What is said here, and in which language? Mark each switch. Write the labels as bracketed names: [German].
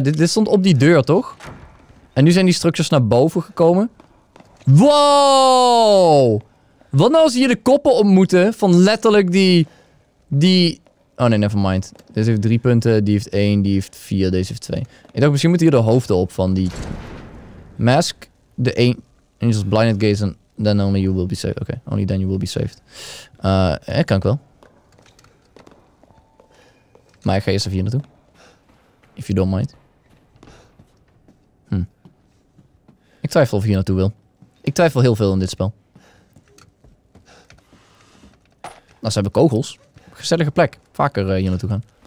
[Dutch] Dit stond op die deur, toch? En nu zijn die structures naar boven gekomen. Wow! Wat nou als hier de koppen ontmoeten van letterlijk die... Die... Oh nee, [English] never mind. [Dutch] Deze heeft 3 punten, die heeft 1, die heeft 4, deze heeft 2. Ik dacht, misschien moeten hier de hoofden op van die... Mask, de 1... [English] Angels blinded gaze, and then only you will be saved. Okay, only then you will be saved. [Dutch] Kan ik wel. Maar ik ga eerst even hier naartoe. [English] If you don't mind. [Dutch] Ik twijfel of ik hier naartoe wil. Ik twijfel heel veel in dit spel. Nou, ze hebben kogels. Gezellige plek. Vaker hier naartoe gaan.